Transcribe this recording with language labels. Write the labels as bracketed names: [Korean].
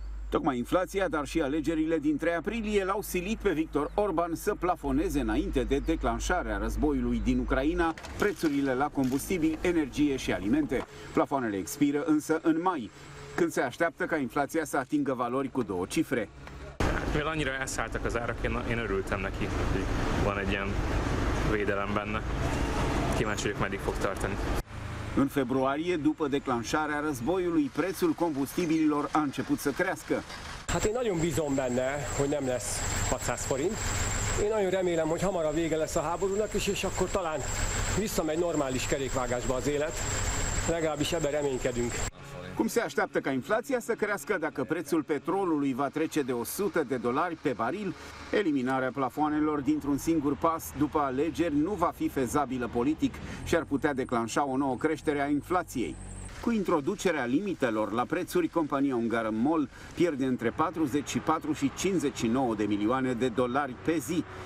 [Romanian] Tocmai inflația, dar și alegerile din 3 aprilie l-au silit pe Viktor Orban să plafoneze înainte de declanșarea războiului din Ucraina prețurile la combustibil, energie și alimente. Plafoanele expiră însă în mai, când se așteaptă ca inflația să atingă valori cu două cifre. [Hungarian] Mi-l annyira elszálltak az árak, én örültem neki, hogy van egy ilyen védelem benne. Kíváncsi vagyok, meddig fog tartani. [Romanian] În februarie, după declanșarea războiului, prețul combustibililor a început să crească. [Hungarian] Hát én nagyon bízom benne, hogy nem lesz 600 forint. Én nagyon remélem, hogy hamar a vége lesz a háborúnak is, és akkor talán visszamegy normális kerékvágásba az élet. Legalábbis ebben reménykedünk. [Romanian] Cum se așteaptă ca inflația să crească dacă prețul petrolului va trece de 100 de dolari pe baril? Eliminarea plafoanelor dintr-un singur pas după alegeri nu va fi fezabilă politic și ar putea declanșa o nouă creștere a inflației. Cu introducerea limitelor la prețuri, compania ungară MOL pierde între 44 și 59 de milioane de dolari pe zi.